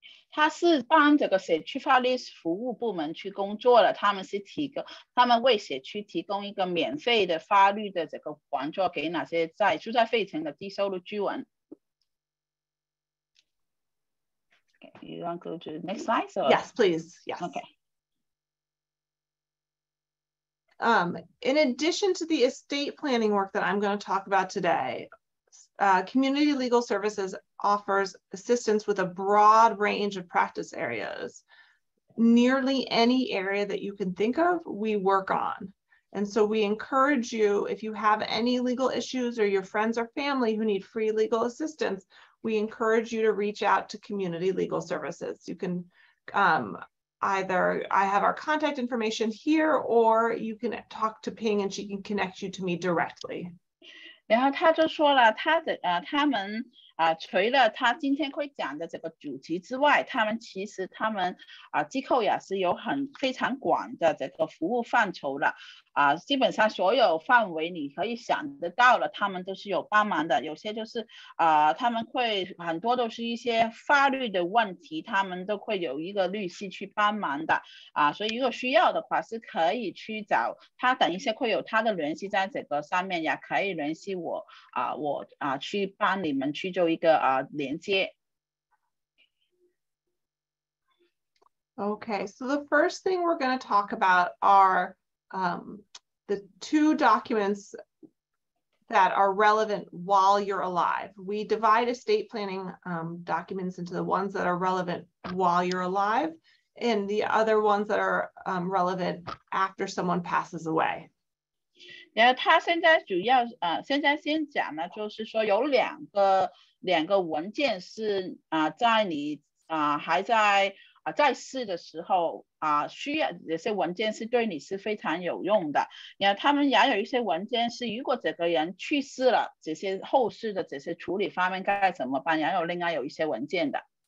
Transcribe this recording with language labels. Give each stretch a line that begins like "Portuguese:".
Chinese: 他是帮这个社区法律服务部门去工作了，他们是提供，他们为社区提供一个免费的法律的这个援助给那些在住在费城的低收入居民。
English: Okay, you want to go to the next slide? So... Yes, please. Yes. Okay. In addition to the estate planning work that I'm going to talk about today, Community Legal Services offers assistance with a broad range of practice areas. Nearly any area that you can think of, we work on. And so we encourage you, if you have any legal issues or your friends or family who need free legal assistance, we encourage you to reach out to Community Legal Services. You can either, I have our contact information here, or you can talk to Ping and she can connect you to me directly.
Chinese: 然后他就说了他的、他们、除了他今天会讲的这个主题之外，他们其实他们、机构也是有很非常广的这个服务范畴了、基本上所有范围你可以想得到了，他们都是有帮忙的。有些就是、他们会很多都是一些法律的问题，他们都会有一个律师去帮忙的、所以如果需要的话是可以去找他，等一下会有他的联系在这个上面，也可以联系我、我、去帮你们去做一个、连接。
English: Okay, so the first thing we're going to talk about are the two documents that are relevant while you're alive. We divide estate planning documents into the ones that are relevant while you're alive and the other ones that are relevant after someone passes away.
Chinese: 然后他现在主要、现在先讲呢，就是说有两个文件是、在你、还在、在世的时候、需要这些文件是对你是非常有用的。然后他们也有一些文件是如果这个人去世了，这些后事的这些处理方面该怎么办，然后另外有一些文件的。